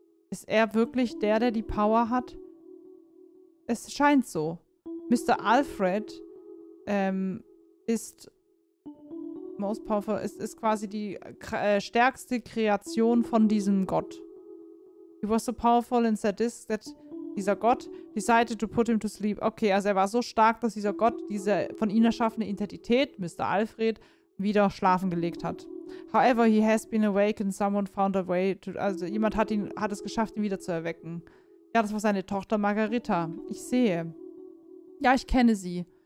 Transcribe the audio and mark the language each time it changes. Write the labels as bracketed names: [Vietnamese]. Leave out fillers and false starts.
[German] Ist er wirklich der, der die Power hat? Es scheint so. Mr. Alfred ist Most Powerful, ist quasi die stärkste Kreation von diesem Gott. [English] He was so powerful and sadistic that [German] dieser Gott [English] decided to put him to sleep. [German] Okay, also er war so stark, dass dieser Gott diese von ihm erschaffene Identität, Mr. [English] Alfred, [German] wieder schlafen gelegt hat. [English] However, he has been awakened. Someone found a way to... [German] Also jemand hat es geschafft, ihn wieder zu erwecken. Ja, das war seine Tochter Margarita. Ich sehe. Ja, ich kenne sie.